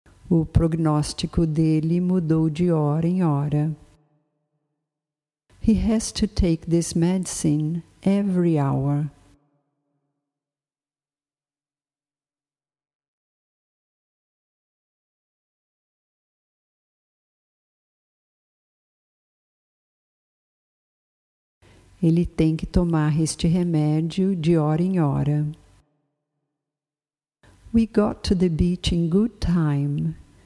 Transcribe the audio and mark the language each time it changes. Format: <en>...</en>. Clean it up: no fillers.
<pt>O prognóstico dele mudou de hora em hora.</pt> <en>He has to take this medicine every hour.</en> <pt>Ele tem que tomar este remédio de hora em hora.</pt> <en>We got to the beach in good time.</en>